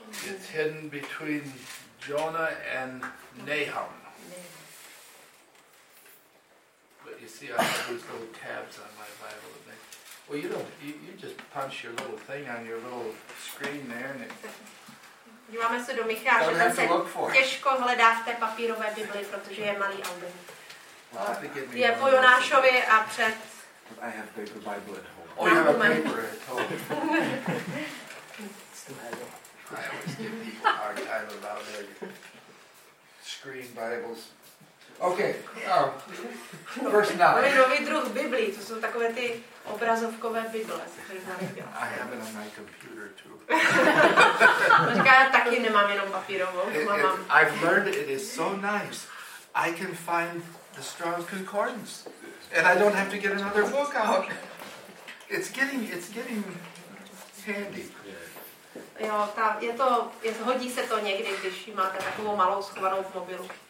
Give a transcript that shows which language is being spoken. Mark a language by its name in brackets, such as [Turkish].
[English] It's hidden between Jonah and Nahum. But you see, I have these little tabs on my Bible. Well, you don't. You just punch your little thing on your little screen there, and it. [Czech] Díváme se do Micháše, těžko hledá v té papírové Bibli, protože je malý album. Je po Jonášovi a před. [English] I have paper Bible at home. Oh, you have a paper at home. Still have it. I always give people a hard time about their screen Bibles. Okay, verse 9. [Czech] To je nový druh Biblii, to jsou takové ty obrazovkové Bible. [English] I have it on my computer too. [Czech] Říká, já taky nemám jenom papírovou. [English] I've learned it is so nice. I can find the Strong's Concordance. And I don't have to get another book out. It's getting handy. [Czech] Jo, hodí se to někdy, když máte takovou malou schovanou v mobilu.